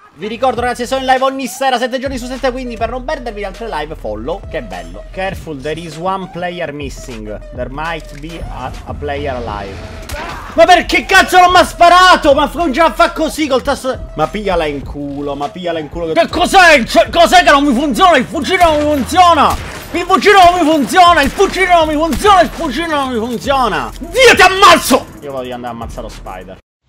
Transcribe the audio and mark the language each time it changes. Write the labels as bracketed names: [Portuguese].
[Italian] Vi ricordo, ragazzi, sono in live ogni sera, 7 giorni su 7, quindi per non perdervi le altre live, follow, che bello. [English] Careful, there is one player missing. There might be a player alive. [Italian] Ma perché cazzo non mi ha sparato? Ma non ce la fa così col tasto. Ma pigliala in culo, ma pigliala in culo. Che cos'è? Cioè, cos'è che non mi funziona? Il fucile non mi funziona! Il fucile non mi funziona! Il fucile non mi funziona! Il fucile non mi funziona! Dio, ti ammazzo! Io voglio andare a ammazzare lo Spider.